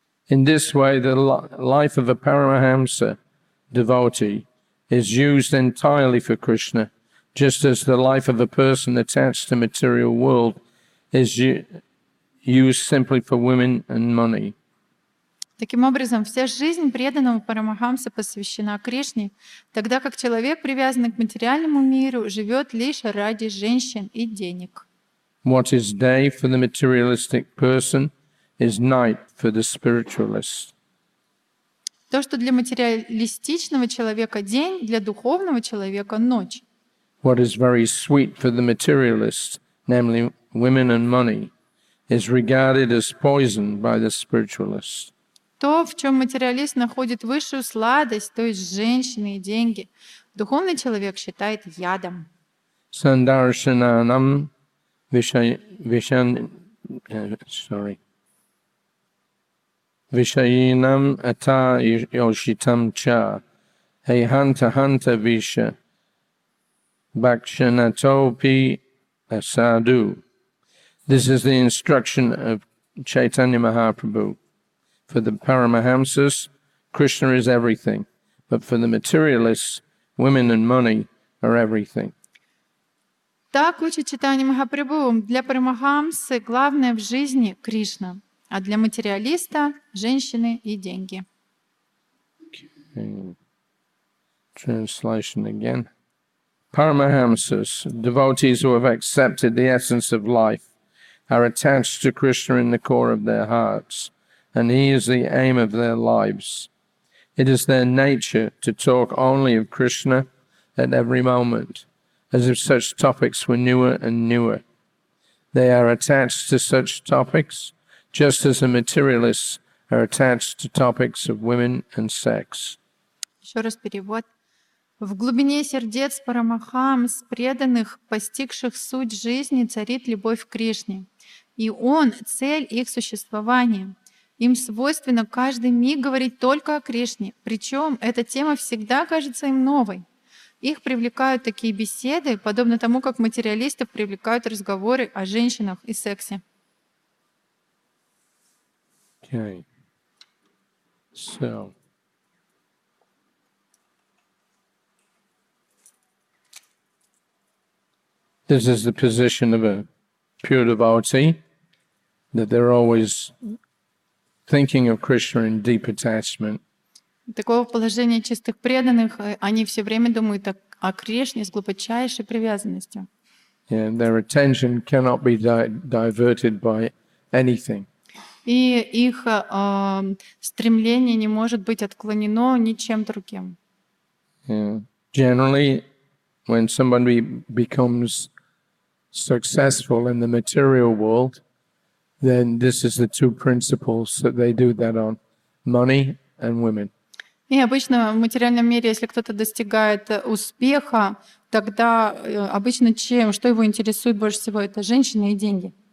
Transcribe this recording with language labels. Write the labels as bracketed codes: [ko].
[en] In this way, the life of a Paramahamsa devotee is used entirely for Krishna, just as the life of a person attached to material world is used simply for women and money. [ru] Таким образом, вся жизнь преданного Парамахамса посвящена Кришне, тогда как человек, привязанный к материальному миру, живет лишь ради женщин и денег. [en] What is day for the materialistic person is night for the spiritualist. [ru] То, что для материалистичного человека день, для духовного человека ночь. [en] What is very sweet for the materialist, namely women and money, is regarded as poison by the spiritualist. [ru] То, в чем материалист находит высшую сладость, то есть женщины и деньги, духовный человек считает ядом. [sa] Сандаршинанам вишайинам ата йошитам ча эйханта ханта виша бакшанатопи асаду. [en] This is the instruction of Chaitanya Mahaprabhu. For the Paramahamsas, Krishna is everything. But for the materialists, women and money are everything. [ru] Так учит Чайтанья Махапрабху. Для Парамахамсы главное в жизни — Кришна. А для материалиста — женщины и деньги. [en] Translation again. Paramahamsas, devotees who have accepted the essence of life, are attached to Krishna in the core of their hearts. And he is the aim of their lives. It is their nature to talk only of Krishna at every moment, as if such topics were newer and newer. They are attached to such topics, just as the materialists are attached to topics of women and sex. [ru] Еще раз перевод. В глубине сердец Парамахамс, преданных, постигших суть жизни, царит любовь к Кришне. И он — цель их существования. Им свойственно каждый миг говорить только о Кришне, причем эта тема всегда кажется им новой. Их привлекают такие беседы, подобно тому, как материалистов привлекают разговоры о женщинах и сексе. [en] Okay. So. This is the position of a pure devotee, that they're always thinking of Krishna in deep attachment. [ru] Такого положения чистых преданных, они все время думают о Кришне с глубочайшей привязанностью. [en] And their attention cannot be diverted by anything. [ru] И их стремление не может быть отклонено ничем другим. [en] Generally, when somebody becomes successful in the material world, then this is the two principles that they do that on, money and women. [ru] И обычно в материальном мире, если кто-то достигает успеха, тогда обычно чем, что его интересует больше всего, это женщины и деньги.